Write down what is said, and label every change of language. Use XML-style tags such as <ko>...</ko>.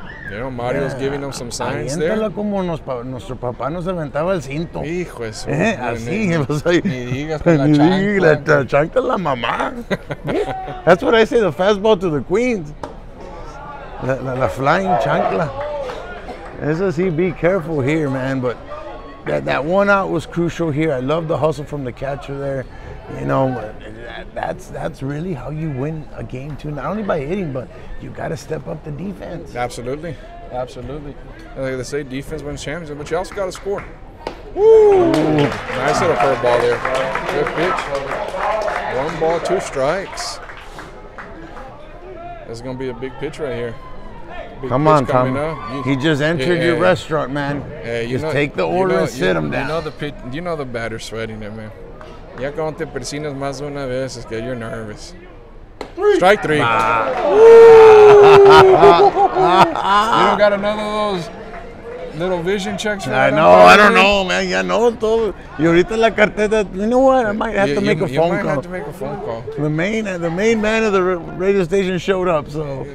<en>You know, Mario's giving them some signs there.</en> <es>Aviéntalo como nuestro papá nos aventaba el cinto. Hijo eso. Así. Ni digas con la chancla, la mamá.</es> <en>That's what I say, the fastball to the Queens. La flying chancla. This is he. Be careful here, man. But that one out was crucial here. I love the hustle from the catcher there. You know, that's really how you win a game too. Not only by hitting, but you got to step up the defense. Absolutely. Like they say, defense wins championships, but you also got to score. Woo! Nice little curve ball there. Good pitch. One ball, two strikes. This is gonna be a big pitch right here. Come on, Tom. He just entered your restaurant, man. Take the order and sit him down. You know the batter sweating it, man.</en> <es>Ya cuando te persinas más de una vez, es que</es> <en>you're nervous. Strike three. You don't got another of those little vision checks? I know. I don't know, man.</en> <es>Ya no todo. Y ahorita la carteta.</es> <en>You know what? I might have to make a phone call. You might have to make a phone call. The main man of the radio station showed up, so.</en>